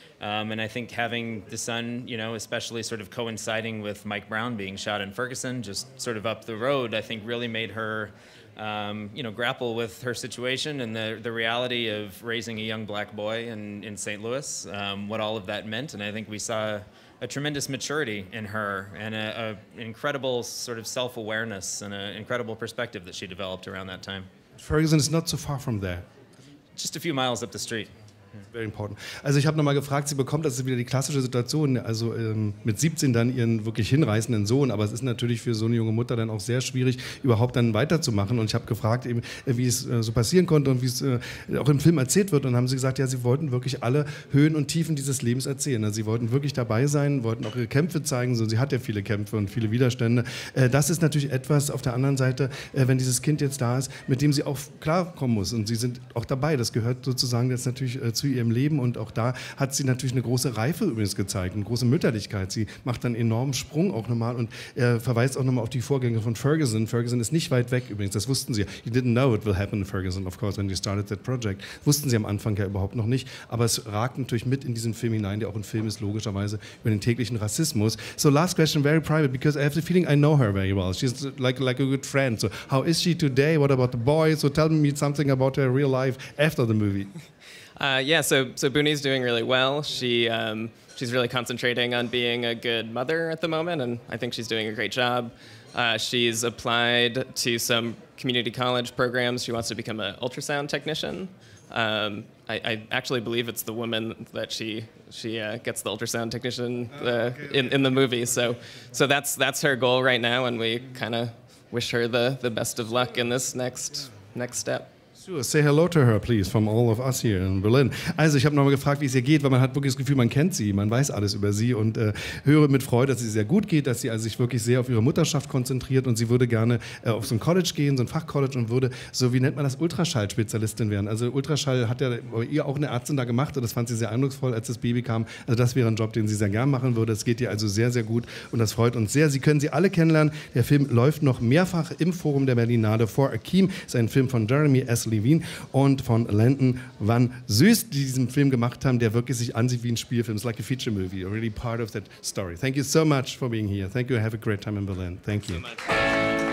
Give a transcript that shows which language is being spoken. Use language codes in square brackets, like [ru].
[en] And I think having the son, you know, especially sort of coinciding with Mike Brown being shot in Ferguson, just sort of up the road, I think really made her, you know, grapple with her situation and the reality of raising a young black boy in St. Louis, what all of that meant. And I think we saw a tremendous maturity in her and an incredible sort of self-awareness and an incredible perspective that she developed around that time. Ferguson is not so far from there. Just a few miles up the street. Very important. [de] Also ich habe nochmal gefragt, sie bekommt, das ist wieder die klassische Situation, also mit 17 dann ihren wirklich hinreißenden Sohn, aber es ist natürlich für so eine junge Mutter dann auch sehr schwierig, überhaupt dann weiterzumachen, und ich habe gefragt eben, wie es so passieren konnte und wie es auch im Film erzählt wird, und haben sie gesagt, ja, sie wollten wirklich alle Höhen und Tiefen dieses Lebens erzählen, also sie wollten wirklich dabei sein, wollten auch ihre Kämpfe zeigen, so, und sie hat ja viele Kämpfe und viele Widerstände. Das ist natürlich etwas auf der anderen Seite, wenn dieses Kind jetzt da ist, mit dem sie auch klarkommen muss, und sie sind auch dabei, das gehört sozusagen jetzt natürlich zu ihrem Leben, und auch da hat sie natürlich eine große Reife übrigens gezeigt, eine große Mütterlichkeit. Sie macht einen enormen Sprung auch nochmal und verweist auch nochmal auf die Vorgänge von Ferguson. Ferguson ist nicht weit weg übrigens, das wussten sie. [en] You didn't know it will happen in Ferguson, of course, when you started that project. [de] Wussten sie am Anfang ja überhaupt noch nicht, aber es ragt natürlich mit in diesen Film hinein, der auch ein Film ist, logischerweise, über den täglichen Rassismus. [en] So last question, very private, because I have the feeling I know her very well. She's like a good friend. So how is she today? What about the boy? So tell me something about her real life after the movie. So Boonie's doing really well. She's really concentrating on being a good mother at the moment, and I think she's doing a great job. She's applied to some community college programs. She wants to become an ultrasound technician. I actually believe it's the woman that she gets the ultrasound technician in the movie. So that's her goal right now, and we kind of wish her the best of luck in this next step. Sure, say hello to her, please, from all of us here in Berlin. [de] Also, ich habe nochmal gefragt, wie es ihr geht, weil man hat wirklich das Gefühl, man kennt sie, man weiß alles über sie und höre mit Freude, dass sie sehr gut geht, dass sie also sich wirklich sehr auf ihre Mutterschaft konzentriert und sie würde gerne auf so ein College gehen, so ein Fachcollege und würde, so wie nennt man das, Ultraschall-Spezialistin werden. Also Ultraschall hat ja ihr auch eine Ärztin da gemacht und das fand sie sehr eindrucksvoll, als das Baby kam. Also das wäre ein Job, den sie sehr gern machen würde. Es geht ihr also sehr, sehr gut und das freut uns sehr. Sie können sie alle kennenlernen. Der Film läuft noch mehrfach im Forum der Berlinale vor Akeem. Ist ein Film von Jeremy S. Levine und von Landon Van Zuyst, die diesen Film gemacht haben, der wirklich sich ansieht wie ein Spielfilm. [en] It's like a feature movie, really part of that story. Thank you so much for being here. Thank you. Have a great time in Berlin. Thank you. So much.